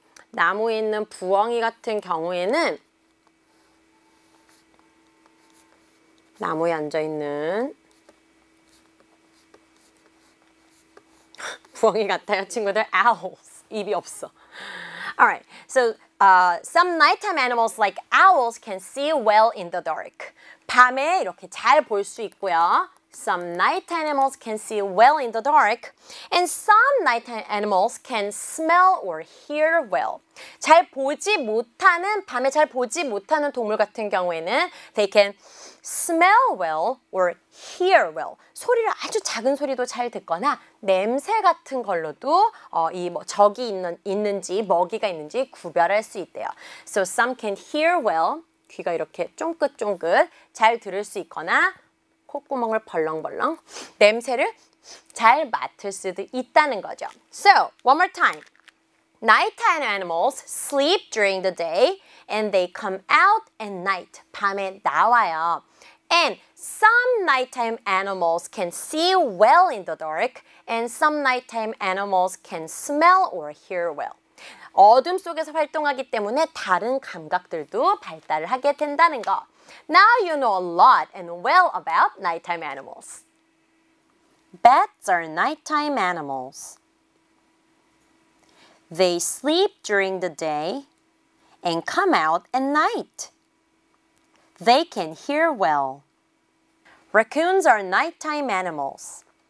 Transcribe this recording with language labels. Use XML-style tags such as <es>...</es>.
<ko>나무에 있는 부엉이 같은 경우에는 나무에 앉아있는 부엉이 같아요, 친구들.</ko> <en>Owls.</en> <ko>입이 없어.</ko> <en>Alright, so some nighttime animals like owls can see well in the dark.</en> <ko>밤에 이렇게 잘 볼 수 있고요.</ko> <en>Some nighttime animals can see well in the dark. And some nighttime animals can smell or hear well.</en> <ko>잘 보지 못하는, 밤에 잘 보지 못하는 동물 같은 경우에는</ko> <en>they can smell well or hear well.</en> <ko>소리를 아주 작은 소리도 잘 듣거나 냄새 같은 걸로도 이 뭐 적이 있는지 먹이가 있는지 구별할 수 있대요.</ko> <en>So some can hear well.</en> <ko>귀가 이렇게 쫑긋쫑긋 잘 들을 수 있거나 콧구멍을 벌렁벌렁 냄새를 잘 맡을 수도 있다는 거죠.</ko> <en>So, one more time. Nighttime animals sleep during the day and they come out at night.</en> <ko>밤에 나와요.</ko> <en>And some nighttime animals can see well in the dark and some nighttime animals can smell or hear well.</en> <ko>어둠 속에서 활동하기 때문에 다른 감각들도 발달을 하게 된다는 거.</ko> <en>Now you know a lot and well about nighttime animals. Bats are nighttime animals. They sleep during the day and come out at night. They can hear well. Raccoons are nighttime animals.</en>